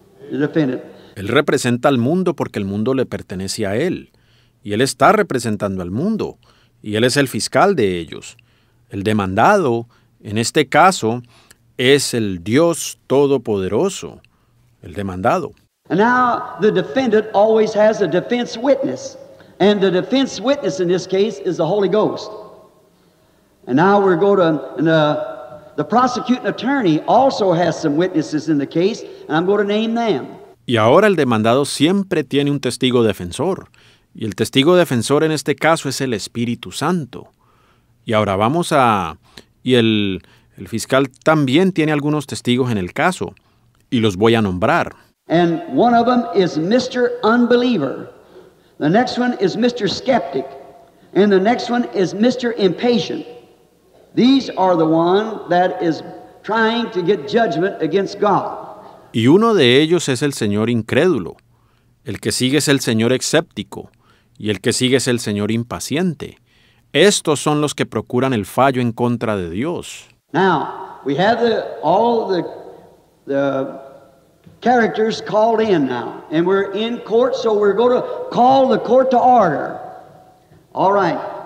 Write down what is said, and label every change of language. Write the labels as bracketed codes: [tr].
[en] The defendant. [es] Él representa al mundo porque el mundo le pertenece a él. Y él está representando al mundo. Y él es el fiscal de ellos. El demandado, en este caso, es el Dios Todopoderoso. El demandado. [en] And now the defendant always has a defense witness. And the defense witness in this case is the Holy Ghost. And now we're going to, and the prosecuting attorney also has some witnesses in the case, and I'm going to name them. [es] Y ahora el demandado siempre tiene un testigo defensor. Y el testigo defensor en este caso es el Espíritu Santo. Y ahora vamos a, y el fiscal también tiene algunos testigos en el caso. Y los voy a nombrar. [en] And one of them is Mr. Unbeliever. The next one is Mr. Skeptic. And the next one is Mr. Impatient. These are the one that is trying to get judgment against God. [es] Y uno de ellos es el señor incrédulo. El que sigue es el señor escéptico. Y el que sigue es el señor impaciente. Estos son los que procuran el fallo en contra de Dios. [en] Now, we have all the characters called in now. And we're in court, so we're going to call the court to order. All right.